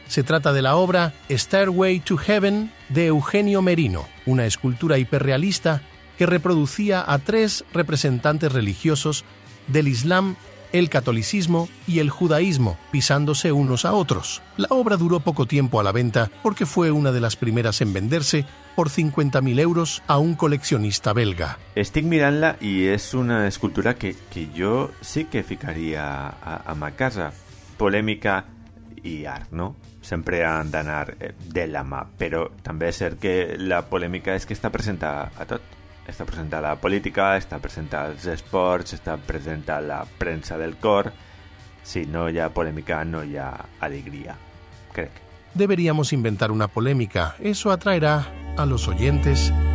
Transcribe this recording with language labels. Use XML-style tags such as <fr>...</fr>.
<es>Se trata de la obra Stairway to Heaven de Eugenio Merino, una escultura hiperrealista que reproducía a tres representantes religiosos del Islam, el catolicismo y el judaísmo, pisándose unos a otros. La obra duró poco tiempo a la venta porque fue una de las primeras en venderse por 50.000 euros a un coleccionista belga. Estoy mirándola y es una escultura que yo sí que ficaría</es> <ca>a ma casa.</ca> <es>Polémica y art, ¿no?</es> <ca>Sempre han d'anar de la mà, però també és cert que la polèmica és que està present a tot. Està present a la política, està present als esports, està present a la premsa del cor. Si no hi ha polèmica, no hi ha alegria, crec.</ca> <es>Deberíamos inventar una polèmica. Eso atraerá a los oyentes.</es>